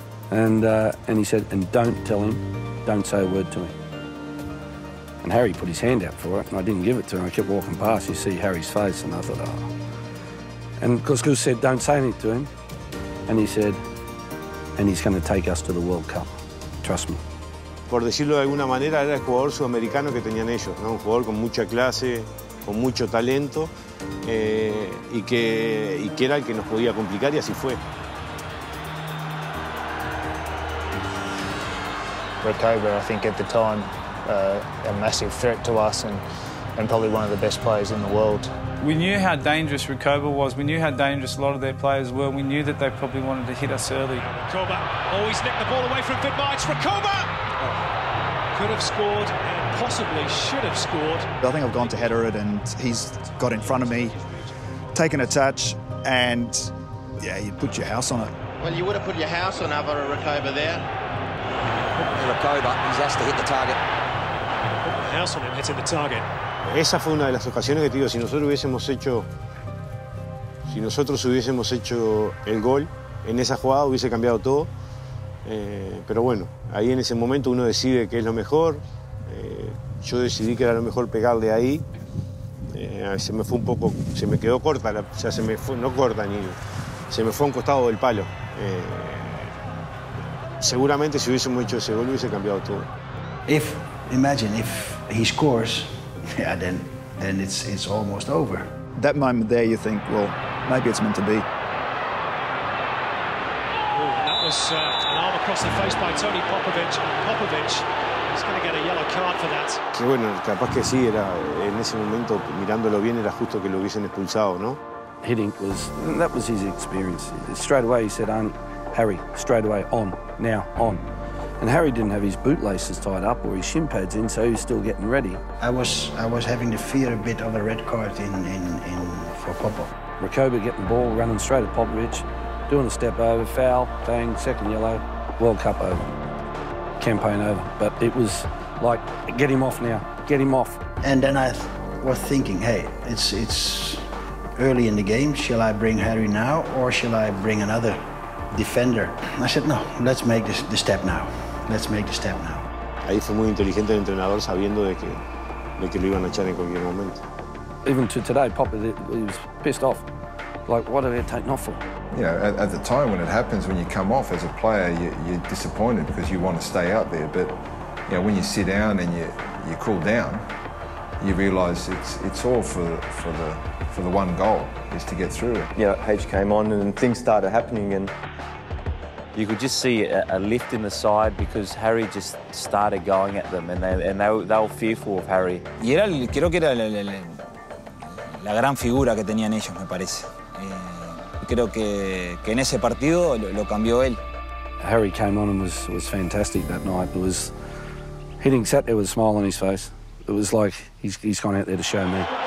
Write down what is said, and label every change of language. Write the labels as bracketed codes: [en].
[en] And he said, and don't tell him, don't say a word to him. And Harry put his hand out for it, and I didn't give it to him. I kept walking past. You see Harry's face, and I thought, oh. And Couscous said, don't say anything to him. And he said, and he's going to take us to the World Cup. Trust me. [es] Por decirlo de alguna manera, era el jugador sudamericano que tenían ellos, ¿no? Un jugador con mucha clase, con mucho talento, y que era el que nos podía complicar, y así fue. [en] Rick Hoberg, I think at the time, a massive threat to us and probably one of the best players in the world. We knew how dangerous Rick Hoberg was. We knew how dangerous a lot of their players were. We knew that they probably wanted to hit us early. Rick Hoberg always nicked the ball away from Vid Mikes. Rick Hoberg! Could have scored and possibly should have scored. I think I've gone to header it and he's got in front of me, taken a touch, and yeah, you put your house on it. Well, you would have put your house on Alvaro Rick Hoberg there. [es] Esa fue una de las ocasiones que te digo, si nosotros hubiésemos hecho el gol en esa jugada hubiese cambiado todo. Pero bueno, ahí en ese momento uno decide qué es lo mejor. Yo decidí que era lo mejor pegarle ahí. Se me fue un poco, se me quedó corta, la, o sea, se me fue, no corta ni, se me fue a un costado del palo. Seguramente si hubiésemos hecho ese gol hubiese cambiado todo. [en] If imagine if he scores, yeah, then it's almost over. That moment there, you think, well, maybe it's meant to be. Ooh, that was an arm across the face by Tony Popovich. Popovich is going to get a yellow card for that. [es] Que bueno, capaz que sí era en ese momento mirándolo bien era justo que lo hubiesen expulsado, ¿no? [en] Hitting was that was his experience. Straight away he said, Harry, straight away, on, now, on. And Harry didn't have his bootlaces tied up or his shin pads in, so he was still getting ready. I was having the fear a bit of a red card in for Popo. Rakoba getting the ball, running straight at Popovich, doing a step over, foul, bang, second yellow, World Cup over, campaign over. But it was like, get him off now, get him off. And then I was thinking, hey, it's early in the game, shall I bring Harry now or shall I bring another defender? I said, no, let's make the step now. Let's make the step now. [es] Ahí fue muy inteligente el entrenador sabiendo de que lo iban a echar en cualquier momento. [en] Even to today, Popper, he was pissed off. Like, what are they taking off for? You know, at the time when it happens, when you come off as a player, you're disappointed because you want to stay out there. But, you know, when you sit down and you cool down, you realise it's all for the one goal, is to get through it. You know, H came on and things started happening and you could just see a lift in the side because Harry just started going at them and they were fearful of Harry. [es] Y era, creo que era la gran figura que tenían ellos, me parece. Creo que en ese partido lo cambió él. [en] Harry came on and was fantastic that night. It was hitting set, there was a smile on his face. It was like he's gone out there to show me.